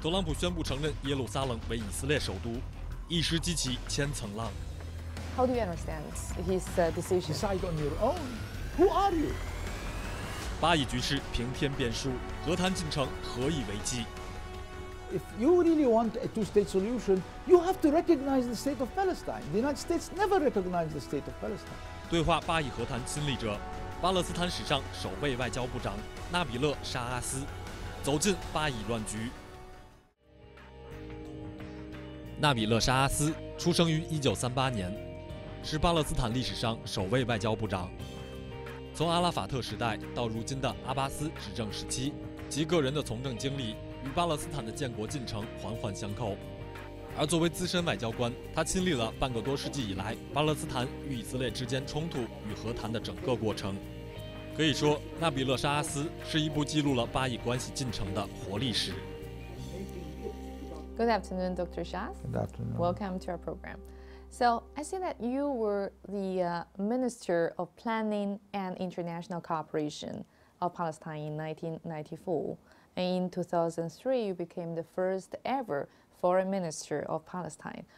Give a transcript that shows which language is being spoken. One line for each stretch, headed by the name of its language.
Chinese: 特朗普宣布承认耶路撒冷为以色列首都，一时激起千层浪。
English: How do you understand his decision? Decide on your own. Who are you?
Chinese: 巴以局势平添变数，和谈进程何以为继？
English: If you really want a two-state solution, you have to recognize the state of Palestine. The United States never recognized the state of Palestine.
Chinese: 对话巴以和谈亲历者，巴勒斯坦史上首位外交部长纳比勒·沙阿斯，走进巴以乱局。纳比勒·沙阿斯出生于1938年，是巴勒斯坦历史上首位外交部长。从阿拉法特时代到如今的阿巴斯执政时期，其个人的从政经历与巴勒斯坦的建国进程环环相扣。而作为资深外交官，他亲历了半个多世纪以来巴勒斯坦与以色列之间冲突与和谈的整个过程。可以说，纳比勒·沙阿斯是一部记录了巴以关系进程的活历史。
English: Good afternoon, Dr. Shaath. Good afternoon. Welcome to our program. So I see that you were the Minister of Planning and International Cooperation of Palestine in 1994. And in 2003, you became the first ever Foreign Minister of Palestine.